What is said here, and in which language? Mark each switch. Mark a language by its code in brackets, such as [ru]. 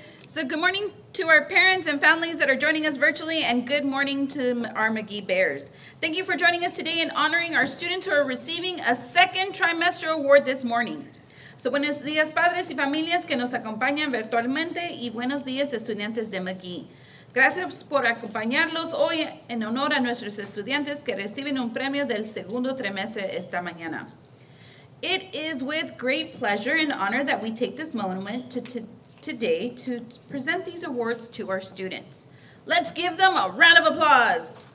[en] So good morning to our parents and families that are joining us virtually, and good morning to our McGee Bears. Thank you for joining us today and honoring our students who are receiving a second trimester award this morning. [es] So buenos días, padres y familias que nos acompañan virtualmente, y buenos días, estudiantes de McGee. Gracias por acompañarlos hoy en honor a nuestros estudiantes que reciben un premio del segundo trimestre esta mañana. [en] It is with great pleasure and honor that we take this moment today to present these awards to our students. Let's give them a round of applause.